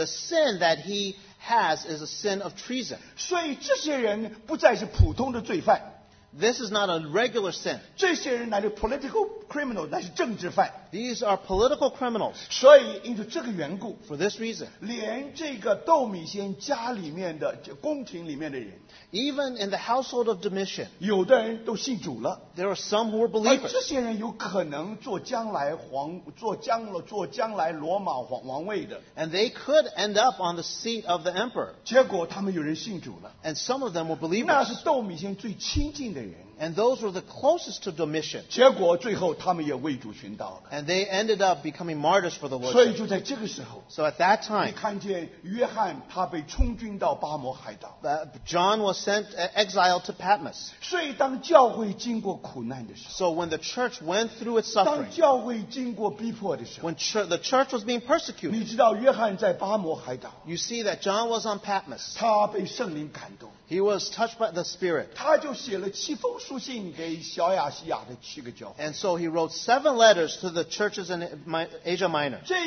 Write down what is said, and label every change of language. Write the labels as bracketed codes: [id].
[en] The sin that he has is a sin of treason. [zh] 所以这些人不再是普通的罪犯。 [en] This is not a regular sin. [zh] 这些人乃是 [en] political criminal, [zh] 乃是政治犯。 [en] These are political criminals. [zh] 所以因着这个缘故, [en] for this reason, [zh] 连这个窦米先家里面的宫廷里面的人, [en] even in the household of Domitian, [zh] 有的人都信主了, [en] there are some who are believers. [zh] 而这些人有可能做将来罗马王位的, [en] and they could end up on the seat of the emperor. [zh] 结果他们有人信主了, [en] and some of them were believers. [zh] 那是窦米先最亲近的人。 [en] And those were the closest to Domitian. [zh] 结果最后他们也为主寻道了。 [en] And they ended up becoming martyrs for the Lord. [zh] 所以就在这个时候, [en] so at that time, [zh] 你看见约翰他被充军到巴摩海岛, [en] John was sent exiled to Patmos. [zh] 所以当教会经过苦难的时候, [en] so when the church went through its suffering, [zh] 当教会经过逼迫的时候, [en] when the church was being persecuted, [zh] 你知道约翰在巴摩海岛, [en] you see that John was on Patmos. [zh] 他被圣灵感动。 [en] He was touched by the Spirit. And so he wrote 7 letters to the churches in Asia Minor.